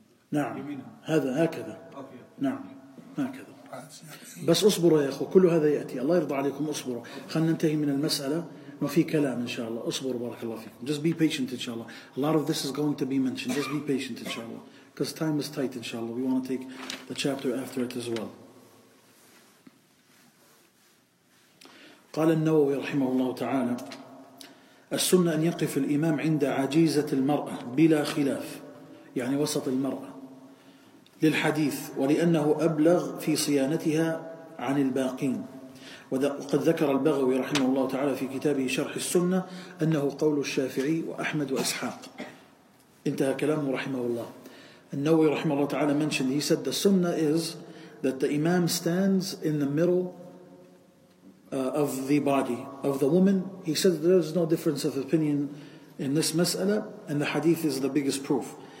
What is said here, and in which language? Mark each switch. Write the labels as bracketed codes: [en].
[ar] نعم هذا هكذا. نعم هكذا. بس اصبروا يا أخو كل هذا يأتي, الله يرضى عليكم, اصبروا خلنا ننتهي من المسألة ما في كلام إن شاء الله. أصبر بارك الله فيكم. [en] Just be patient إن شاء الله. A lot of this is going to be mentioned. Just be patient إن شاء الله. because time is tight, inshallah. We want to take the chapter after it as well. [ar] قال النووي رحمه الله تعالى: السنة أن يقف الإمام عند عجيزة المرأة بلا خلاف، يعني وسط المرأة، للحديث، ولأنه أبلغ في صيانتها عن الباقين. وقد ذكر البغوي رحمه الله تعالى في كتابه شرح السنة أنه قول الشافعي وأحمد وإسحاق. انتهى كلامه رحمه الله. [en] النووي رحمه الله تعالى mentioned, he said the sunnah is that the imam stands in the middle of the body of the woman. He said there is no difference of opinion in this mas'ala, and the hadith is the biggest proof.